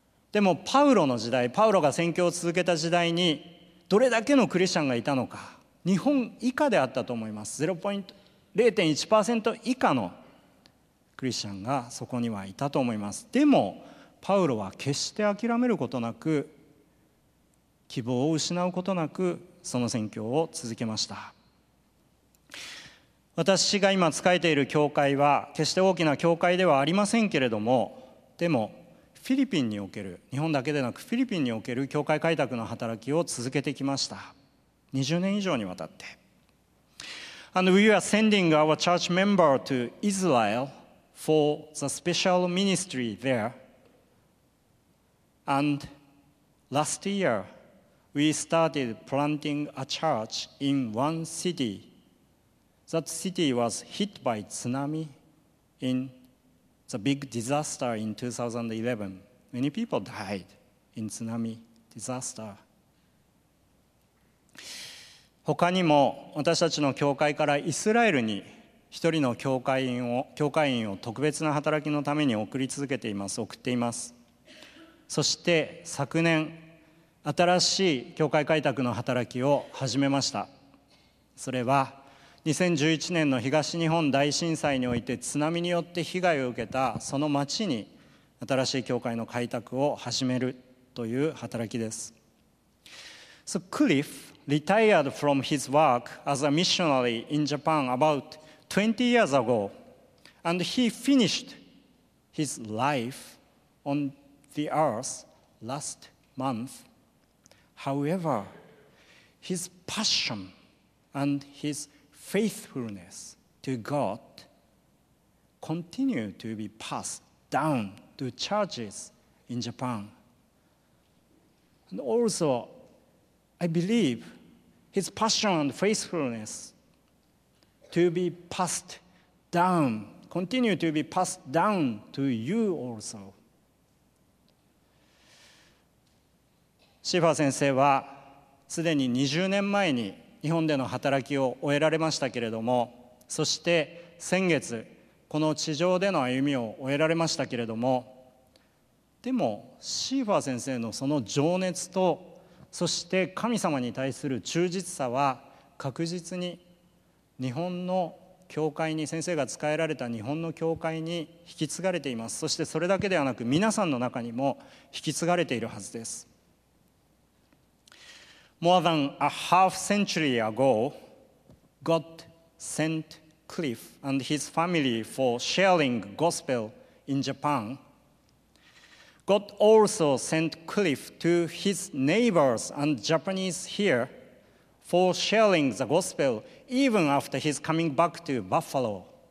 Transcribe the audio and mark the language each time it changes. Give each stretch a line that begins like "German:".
Japanese: でもパウロの時代、パウロが宣教を続けた時代に、どれだけのクリスチャンがいたのか、日本以下であったと思います。0.1%以下の クリスチャンがそこにはいたと思います。でもパウロは決して諦めることなく、希望を失うことなく、その宣教を続けました。私が今仕えている教会は決して大きな教会ではありませんけれども、でもフィリピンにおける、日本だけでなくフィリピンにおける教会開拓の働きを続けてきました。 20年 以上にわたって。
English: And we are sending our church member to Israel for the special ministry there. And last year, we started planting a church in one city. That city was hit by tsunami in the big disaster in 2011. Many people died in tsunami disaster.
Japanese: 他にも私たちの教会からイスラエルに 一人の教会員を特別な働きのために送り続けています。送っています。そして昨年、新しい教会開拓の働きを始めました。それは2011年の東日本大震災において津波によって被害を受けたその町に新しい教会の開拓を始めるという働きです。
English: So Cliff retired from his work as a missionary in Japan about 20 years ago, and he finished his life on the earth last month. However, his passion and his faithfulness to God continue to be passed down to churches in Japan. And also, I believe his passion and faithfulness to be passed down, continue to be passed down to you also.
Japanese: シーファー先生はすでに20年前に日本での働きを終えられましたけれども、そして先月この地上での歩みを終えられましたけれども、でもシーファー先生のその情熱と、そして神様に対する忠実さは確実に 日本の教会に先生が使えられた日本の教会に引き継がれています。そしてそれだけではなく皆さんの中にも引き継がれているはずです。
English: More than a half century ago, God sent Cliff and his family for sharing gospel in Japan. God also sent Cliff to his neighbors and Japanese hereFor sharing the gospel, even after his coming back to Buffalo.